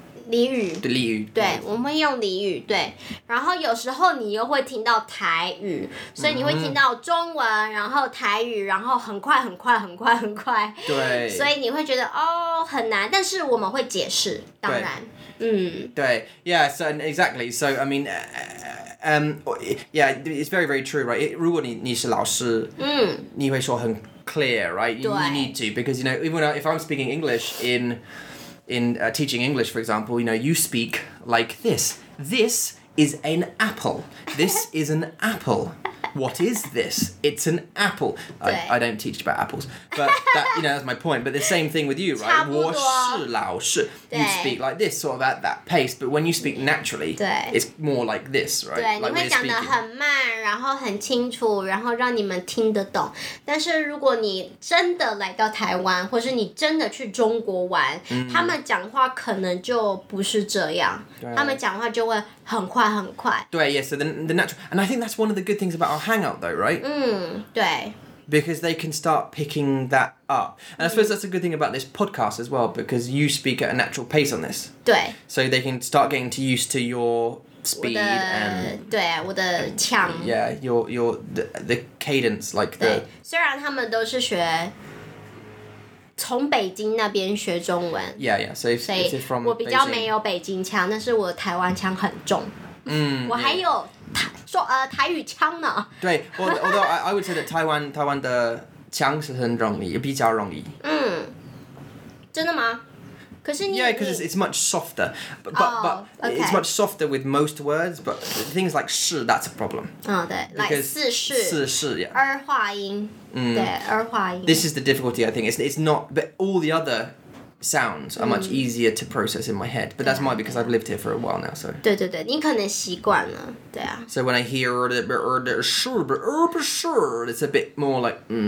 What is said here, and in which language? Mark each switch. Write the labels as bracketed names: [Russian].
[Chinese] 俚语。对俚语。对，我们用俚语，对。然后有时候你又会听到台语，所以你会听到中文，然后台语，然后很快很快很快很快。对。所以你会觉得哦很难，但是我们会解释，当然。 [English] 对 ，Yeah， so and exactly， so I mean，yeah， it's very very true， right？ [Chinese] 如果你是老师，你会说很 clear， right？ [English] You need to， because you know， even when if I'm speaking English in teaching English， for example， you know， you speak like this， this is an apple， this is an apple， what is this？ It's an apple。 I don't teach about apples， but that， you know， that's my point， but the same thing with you， right？ [Chinese] 我是老师。 [English] You speak like this, sort of at that pace, but when you speak naturally, it's more like this, right? [Chinese] 对，你会讲得很慢，然后很清楚，然后让你们听得懂。但是如果你真的来到台湾，或是你真的去中国玩，他们讲话可能就不是这样，他们讲话就会很快很快。对 ，yeah. [English] So the natural, and I think that's one of the good things about our hangout, though, right? [Chinese] 对。 [English] Because they can start picking that up. And I suppose that's a good thing about this podcast as well, because you speak at a natural pace on this. [Chinese] 对。 [English] So they can start getting to used to your speed [Chinese] 我的, [English] and... [Chinese] 对, 我的腔。 [English] Yeah, your the cadence, like [Chinese] 对, [English] the... [Chinese] 虽然他们都是学从北京那边学中文。 [English] Yeah, yeah, so if it's from Beijing. [Chinese] 我比较没有北京腔,但是我台湾腔很重。我还有... [English] Yeah. [Chinese] 台语腔呢？对 ， [English] although I would say that [Chinese] 台湾的腔是很容易，比较容易。真的吗？可是你 [English] yeah, because it's much softer, but、 okay. it's much softer with most words, but things like 是 that's a problem. [Chinese] 对 [English] ，because [Chinese] 四是 [English] yeah [Chinese] 儿化音，对儿化音。 [English] This is the difficulty, I think. It's not, but all the other sounds are much easier to process in my head, but that's my because I've lived here for a while now. So. [Chinese] 对对对，你可能习惯了，对啊。 [English] So when I hear sure, it's a bit more like.